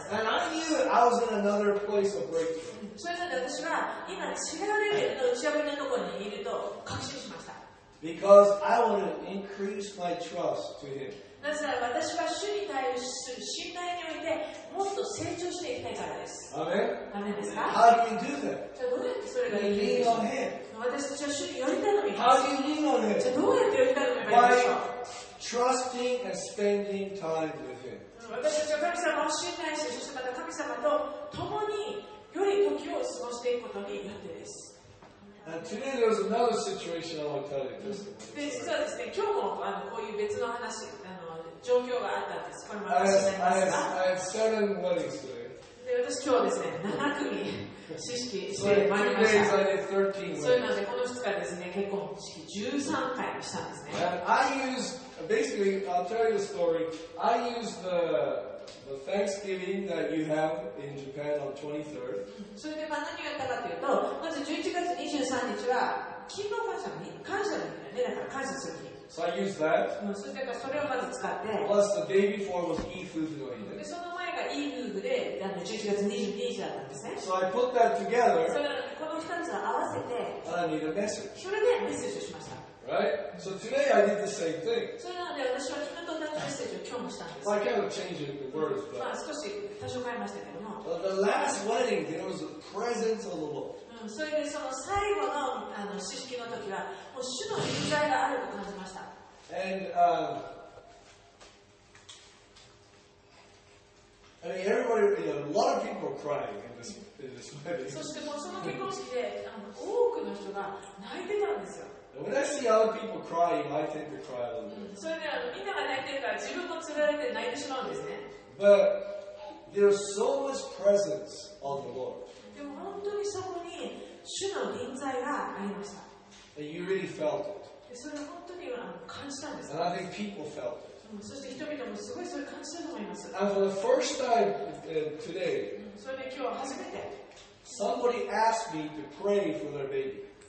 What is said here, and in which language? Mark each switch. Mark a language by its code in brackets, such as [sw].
[en] And I knew that I was in another place of breakthrough. [ja] それなんで私は今違うレベルの打ち破りのところにいると確信しました。 [en] Because I want to increase my trust to Him. [ja] なぜなら私は主に対する信頼においてもっと成長していきたいからです。アメン。アメンですか？ [en] How do you do that? [ja] じゃあどうやってそれができるんでしょう？ [en] Lean on Him. [ja] 私たちは主に寄り頼みます。 [en] How do you lean on Him? [ja] じゃあどうやって寄り頼みましょう？ [en] Why? Trusting and spending time with Him. [ja] 私たちは神様を信頼して、そしてまた神様と共に良い時を過ごしていくことによってです。 [en] And today there was another situation I want to tell you just about. [ja] で、実はですね、今日もこういう別の話、状況があったんです。これも私になりますが。 [en] I have seven weddings today. [ja] で、私今日ですね、7組式してまいりました。 [en] So in 2 days I did 13 weddings. [ja] そういうので、この2日ですね、結婚式13回したんですね。 [en] Basically, I'll tell you the story. I use the Thanksgiving that you have in Japan on 23rd. [ja] それでまあ何をやったかというと、まず11月23日は勤労感謝の日、感謝の日ね、だから感謝する日。 [en] So I use that. [ja] そしてそれをまず使って。 [en] Plus the day before was E Food の日。 [ja] でその前がE Food で、11月22日だったんですね。 [en] So I put that together. [ja] それこの2つを合わせて。 [en] And I need a message. [ja] それでメッセージをしました。 [en] Right? So today I did the same thing. [ja] そうなので私は昨日と同じメッセージを今日もしたんです。 [en] Well, I kind of changed the words, but. [ja] まあ少し多少変えましたけども。 [en] But the last wedding, there was a presence of the Lord. [ja] それでその最後の式式の時は、もう主の臨在があると感じました。 [en] And I mean, everybody, you know, a lot of people are crying in this wedding. [ja] そしてもうその結婚式で多くの人が泣いてたんですよ。 [en] When I see other people crying, I tend to cry a little bit. [ja] そうね、みんなが泣いてるから自分もつられて泣いてしまうんですね。 [en] But there's so much presence of the Lord. [ja] でも本当にそこに主の臨在がありました。 [en] And you really felt it. [ja] でそれ本当に感じたんです。 [en] And I think people felt it. [ja] そして人々もすごいそれ感じたと思います。 [en] And for the first time today, [ja] それで今日は初めて。 [en] Somebody asked me to pray for their baby.